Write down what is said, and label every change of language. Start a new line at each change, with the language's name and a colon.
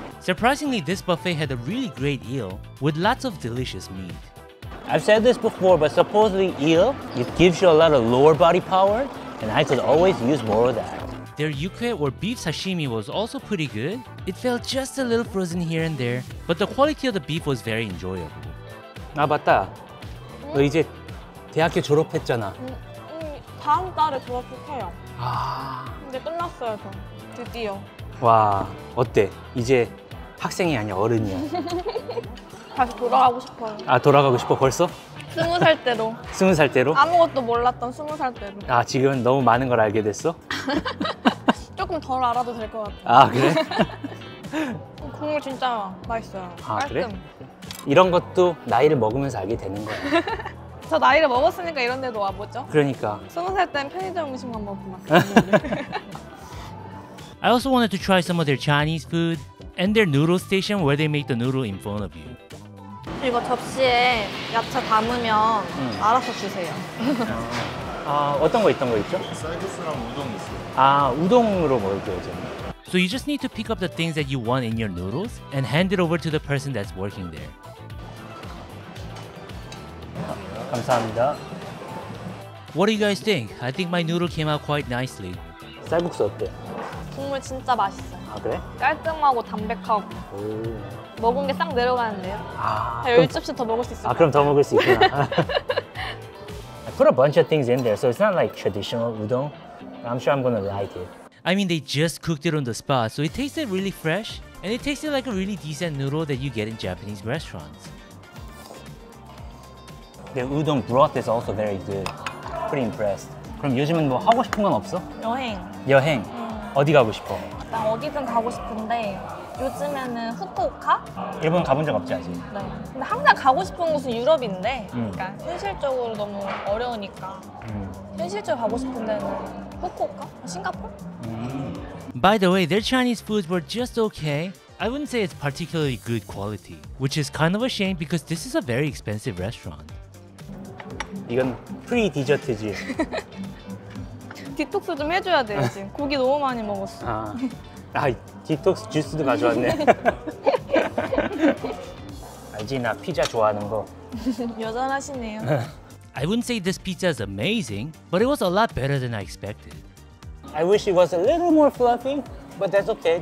English: Surprisingly, this buffet had a really great eel with lots of delicious meat. I've said this before, but supposedly eel, it gives you a lot of lower body power, and I could always use more of that. Their yukhae or beef sashimi was also pretty good. It felt just a little frozen here and there, but the quality of the beef was very enjoyable.
Korean: 아, 맞다. 너 이제 대학교 졸업했잖아. 다음 달에 졸업을 해요. 아. 이제 끝났어요, 저. 드디어. 와, 어때? 이제 학생이 아니야, 어른이야. 다시 돌아가고 싶어요. 아, 돌아가고 싶어, 벌써? 스무 살 때로. 스무 살 때로? 아무것도 몰랐던 스무 살 때로. 아, 지금은 너무 많은 걸 알게 됐어? 조금 덜 알아도 될 것 같아. 아, 그래? 국물 진짜 맛있어요. 아, 그래? 이런 것도 나이를 먹으면서 알게 되는 거예요. 저 나이를 먹었으니까 이런 데도 와보죠. 그러니까. 스무 살 땐 편의점 음식 만 먹고 막.
English: I also wanted to try some of their Chinese food and their noodle station where they make the noodle in front of you.
Korean: 이거 접시에 야채 담으면 알아서 주세요. 아, 어떤 거 있던 거 있죠? 샐러드랑 우동 있어요. 아, 우동으로 먹을게요, 저는.
English: So you just need to pick up the things that you want in your noodles and hand it over to the person that's working there.
Korean: 감사합니다.
English: What do you guys think? I think my noodle came out quite nicely.
Korean: 쌀국수 어때요? 국물 진짜 맛있어요. 아, 그래? 깔끔하고 담백하고. 오. 먹은 게 싹 내려가는데요. 아, 열 접시 더 먹을 수 있어요. 아, 그럼 더 먹을 수 있구나.
English: I put a bunch of things in there, so it's not like traditional udon. I'm sure I'm gonna like it. I mean, they just cooked it on the spot, so it tasted really fresh. And it tasted like a really decent noodle that you get in Japanese restaurants. The udon broth is also very good. Pretty impressed.
Korean: 그럼 요즘은 뭐 하고 싶은 건 없어? 여행. 여행? 어디 가고 싶어? 난 어디든 가고 싶은데 요즘에는 후쿠오카? 일본 가본 적 없지 아직? 네. 근데 항상 가고 싶은 곳은 유럽인데 그러니까 현실적으로 너무 어려우니까 현실적으로 가고 싶은 데는 후쿠오카? 싱가포르?
English: By the way, their Chinese foods were just okay. I wouldn't say it's particularly good quality, which is kind of a shame because this is a very expensive restaurant.
Korean: 이건 프리 디저트지. 디톡스 좀 해줘야 돼 지금. 고기 너무 많이 먹었어. 아, 아 디톡스 주스도 가져왔네. 알지 나 피자 좋아하는 거. 여전하시네요.
English: I wouldn't say this pizza is amazing, but it was a lot better than I expected. I wish it was a little more fluffy, but that's okay.